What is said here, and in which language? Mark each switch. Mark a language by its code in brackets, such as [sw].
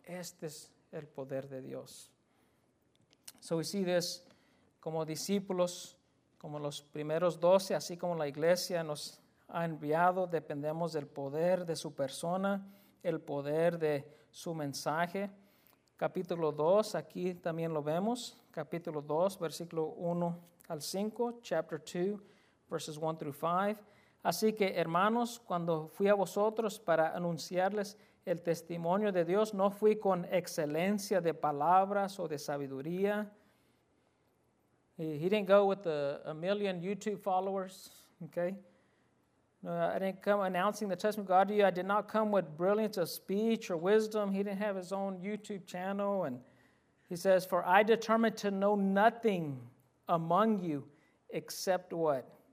[es] Este es el poder de Dios. [en] So we see this [es] como discípulos, como los primeros 12, así como la iglesia nos ha enviado, dependemos del poder de su persona, el poder de su mensaje. Capítulo 2, aquí también lo vemos. Capítulo 2, versículo 1 al 5. [en] Chapter 2, verses 1 through 5. [es] Así que, hermanos, cuando fui a vosotros para anunciarles el testimonio de Dios, no fui con excelencia de palabras o de sabiduría. [en] He didn't go with a million YouTube followers, okay? No, I didn't come announcing the testimony of God to you. I did not come with brilliance of speech or wisdom. He didn't have his own YouTube channel. And he says, for I determined to know nothing among you except what?